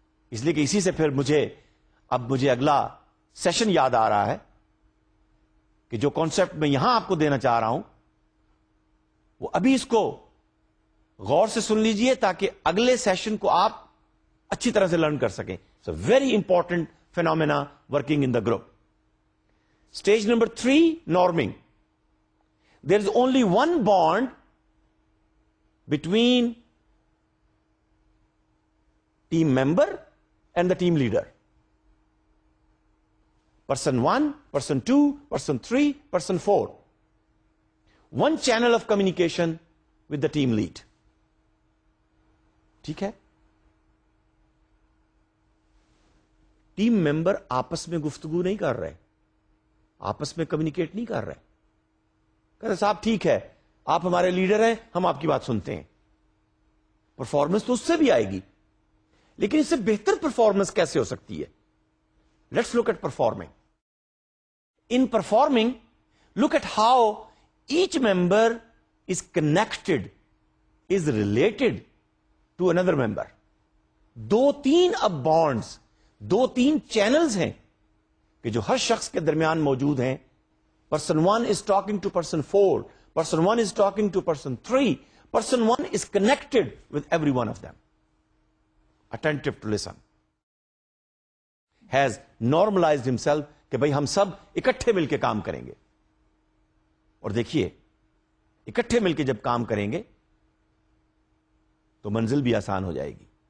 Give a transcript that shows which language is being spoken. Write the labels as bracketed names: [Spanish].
[Urdu] اس لیے کہ اسی سے پھر مجھے, اب مجھے اگلا سیشن یاد آ رہا ہے کہ جو کانسیپٹ میں یہاں آپ کو دینا چاہ رہا ہوں وہ ابھی اس کو غور سے سن لیجئے تاکہ اگلے سیشن کو آپ اچھی طرح سے لرن کر سکیں. [English] So very important phenomena working in the group. Stage number 3, norming. There is only one bond between team member and the team leader. Person 1, person 2, person 3, person 4. One channel of communication with the team lead. [Urdu] ٹھیک ہے, team member آپس میں گفتگو نہیں کر رہے, آپس میں کمیونیکیٹ نہیں کر رہے, کہتے صاحب ٹھیک ہے آپ ہمارے لیڈر ہیں ہم آپ کی بات سنتے ہیں. پرفارمنس تو اس سے بھی آئے گی, لیکن اس سے بہتر پرفارمنس کیسے ہو سکتی ہے؟ [English] Let's look at performing. In performing look at how each member is connected, is related to another member. [Urdu] دو تین اب بانڈز, دو تین چینلز ہیں کہ جو ہر شخص کے درمیان موجود ہیں. [English] Person one is talking to person four, person one is talking to person three, person one is connected with every one of them. Attentive to listen, has normalized himself [Urdu] کہ بھائی ہم سب اکٹھے مل کے کام کریں گے. اور دیکھیے اکٹھے مل کے جب کام کریں گے تو منزل بھی آسان ہو جائے گی.